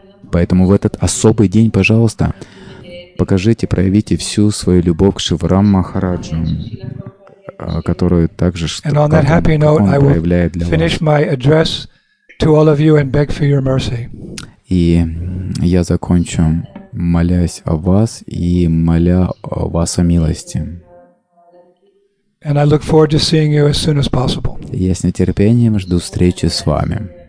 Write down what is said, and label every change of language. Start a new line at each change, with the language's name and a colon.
Russian: Поэтому в этот особый день, пожалуйста, покажите, проявите всю свою любовь к Шиварам Махараджу, которую также проявляет для вас.
English: Finish my address to all of you and beg for your mercy.
Russian: И я закончу молясь о вас и моля о вас о милости.
English: And I look forward to seeing you as soon as possible.
Russian: Я с нетерпением жду встречи с вами.